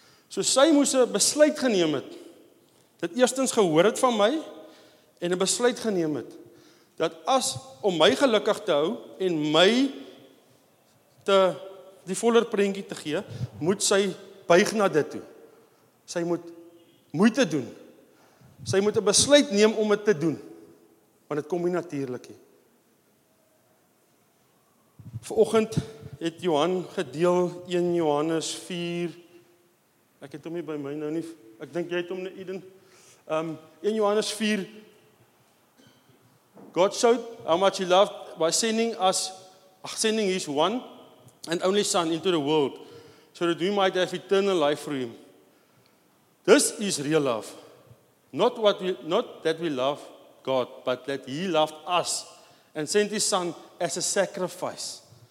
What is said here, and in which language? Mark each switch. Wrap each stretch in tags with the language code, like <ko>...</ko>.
<af>So sy moes 'n besluit geneem het, dat eerstens gehoor het van my, en 'n besluit geneem het, dat as om my gelukkig te hou, en my te die voller prentjie te gee, moet sy buig na dit toe. Sy moet moeite doen. Sy moet 'n besluit neem om dit te doen. Want dit kom nie natuurlik nie. Vanoggend het Johan gedeel 1 Johannes 4. Ek het hom nie by my nou nie. Ek dink jy het hom in Eden. 1 Johannes 4.</af> <en>God showed how much he loved by sending his one and only son into the world so that we might have eternal life through him. This is real love. Not that we love God, but that he loved us and sent his son as a sacrifice.</en>